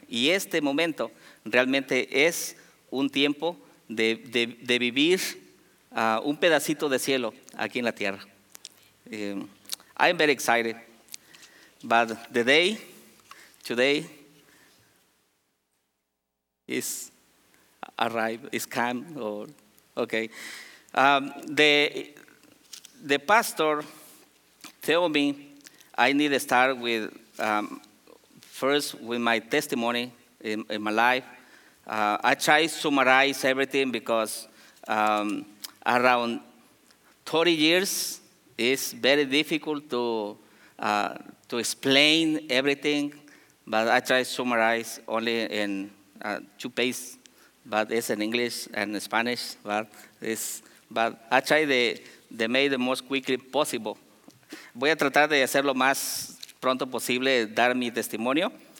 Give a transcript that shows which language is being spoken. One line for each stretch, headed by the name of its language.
Spanish: Y este momento realmente es un tiempo de vivir un pedacito de cielo aquí en la tierra.
English: I'm very excited. But the day, today, is arrived, is come, or okay. The pastor told me I need to start with first with my testimony in my life. I try to summarize everything because around 30 years is very difficult to explain everything, but I try to summarize only in 2 pages, but it's in English and Spanish, but I try to make it the most quickly possible.
Spanish: Voy a tratar de hacerlo más pronto posible, dar mi testimonio.